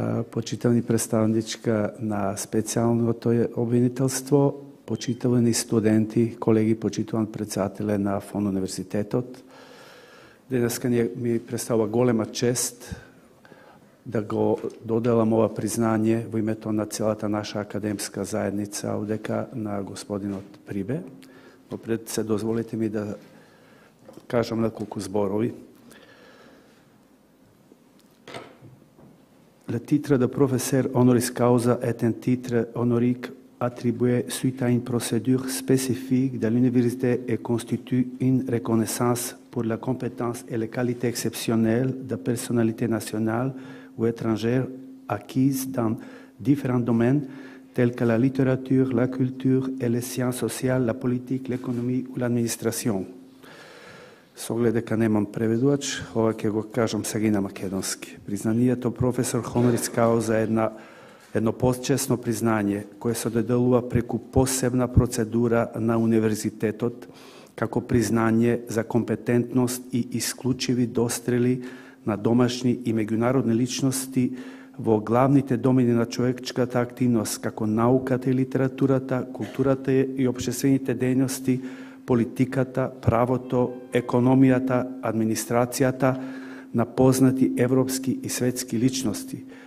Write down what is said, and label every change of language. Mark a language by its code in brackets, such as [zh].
[mk] почитувани представничка на специјалното обвинителство, почитувани студенти, колеги, почитуван председателе на Фон Универзитетот, денеска ми представува голема чест да го доделам ова признание во името на целата наша академска заедница одека на господинот Прибе. Попред се дозволите ми да кажам неколку зборови. [fr] La titre de professeur honoris causa est un titre honorique attribué suite à une procédure spécifique de l'université et constitue une reconnaissance pour la compétence et les qualités exceptionnelles de personnalité nationale ou étrangère acquise dans différents domaines tels que la littérature, la culture et les sciences sociales, la politique, l'économie ou l'administration. [mk] Со оглед дека немам преведувач, ова ќе го кажам сега на македонски. Признанието професор Honoris Causa е едно почесно признание кое се доделува преку посебна процедура на универзитетот како признание за компетентност и исклучиви дострели на домашни и меѓународни личности во главните домени на човечката активност како науката и литературата, културата и обществените дејности, политиката, правото, економијата, администрацијата на познати европски и светски личности,